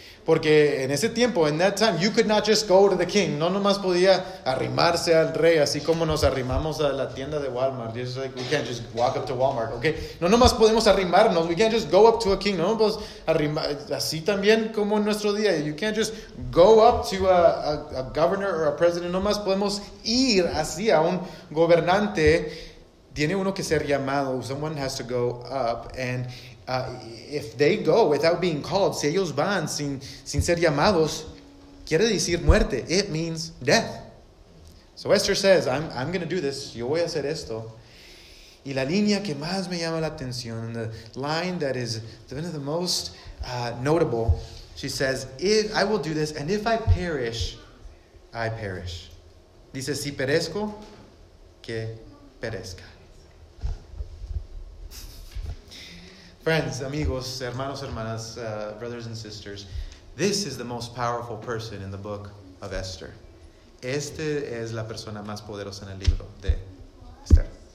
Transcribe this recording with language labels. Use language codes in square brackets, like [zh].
[es] Porque en ese tiempo, [en] in that time, you could not just go to the king. [es] No nomás podía arrimarse al rey, así como nos arrimamos a la tienda de Walmart. [en] It's like, we can't just walk up to Walmart, okay? [es] No nomás podemos arrimarnos. [en] We can't just go up to a king. [es] No nomás arrimarnos. Así también como en nuestro día. [en] You can't just go up to a governor or a president. [es] No nomás podemos ir así a un gobernante. Tiene uno que ser llamado. [en] Someone has to go up and... if they go without being called, [es] si ellos van sin ser llamados, quiere decir muerte. [en] It means death. So Esther says, I'm going to do this. [es] Yo voy a hacer esto. Y la línea que más me llama la atención, [en] the line that is the most notable, she says, if I will do this, and if I perish, I perish. [es] Dice, si perezco, que perezca. [en] Friends, [es] amigos, hermanos, hermanas, [en] brothers and sisters, this is the most powerful person in the book of Esther. [es] Este es la persona más poderosa en el libro de Esther.